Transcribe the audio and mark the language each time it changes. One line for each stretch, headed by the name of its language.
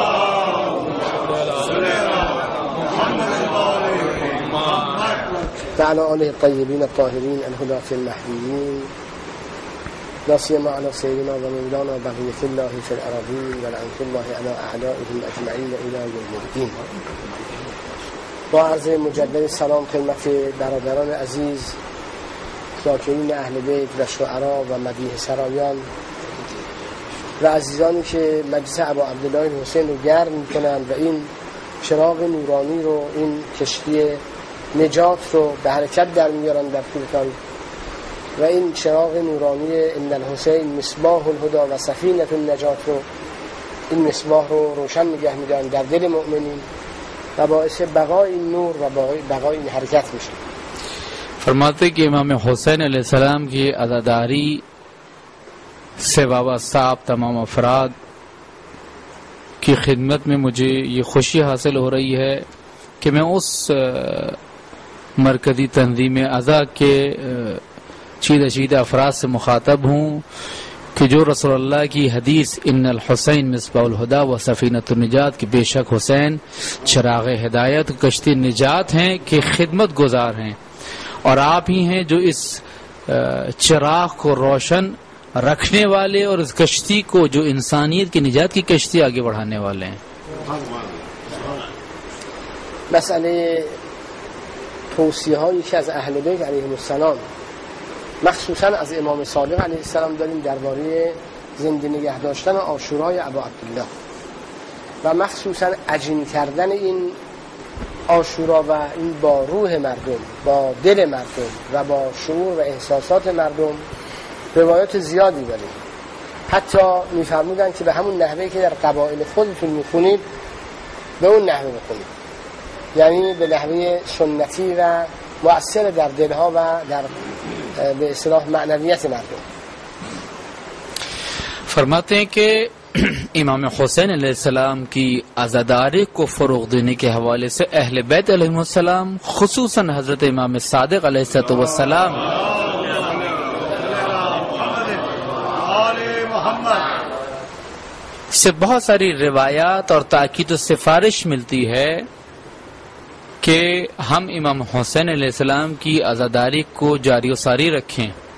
Arabic: اللهم صل على محمد وعلى محمد تعالى اله الطيبين الطاهرين الهدى في المهديين لا سيما على سيدنا ومولانا بغية الله في الأراضين ولعنة الله على أعدائه الأجمعين إلى يوم الدين.
Persian: وعرض مجدد السلام خدمت برادران عزيز ذاکرین اهل بیت و شعرا و مدیح سرایان و عزیزانی که مجلس ابا عبدالله حسین رو گرم میکنند و این چراغ نورانی رو این کشتی نجات رو به حرکت در میارند در طول تاریخ و این چراغ نورانی
Arabic: ان الحسین مصباح الهدى و سفینه النجات
Persian: رو این مصباح رو روشن نگه میدارن در دل مؤمنین و باعث بقای این نور و بقای این حرکت میشه.
Urdu: فرماته که امام حسین علیه السلام که عزاداری سے وابستہ آپ تمام افراد کی خدمت میں مجھے یہ خوشی حاصل ہو رہی ہے کہ میں اس مرکزی تنظیم اعضا کے چیدہ چیدہ افراد سے مخاطب ہوں کہ جو رسول اللہ کی حدیث
Arabic: ان الحسین مصباح الہدیٰ و سفینہ النجات
Urdu: کہ بے شک حسین چراغ ہدایت کشتی نجات ہیں کہ خدمت گزار ہیں. اور آپ ہی ہیں جو اس چراغ کو روشن رکھنے والے اور اس کشتی کو جو انسانیت کی نجات کی کشتی آگے بڑھانے والے ہیں.
Persian: مسئله توصیه‌ها یکی از اهل بیت علیهم السلام مخصوصا از امام صادق علیه السلام داریم درباره زنده نگه داشتن عاشورای ابا عبدالله و مخصوصا عجین کردن این عاشورا و این با روح مردم، با دل مردم و با شعور و احساسات مردم روایات زیادی داریم. حتی می‌فرمودن که به همون نحوه که در قبائل خودتون می‌خونید به اون نحوه بخونید، یعنی به لحوه سنتی و مؤثر در دلها و در به اصطلاح معنویت مردم.
Urdu: فرماتے ہیں کہ امام حسین علیہ السلام کی عزاداری کو فروغ دینے کے حوالے سے اہل بیت علیہ السلام خصوصا حضرت امام صادق علیہ السلام سے بہت ساری روایات اور تاکید و سفارش ملتی ہے کہ ہم امام حسین علیہ السلام کی عزاداری کو جاری و ساری رکھیں.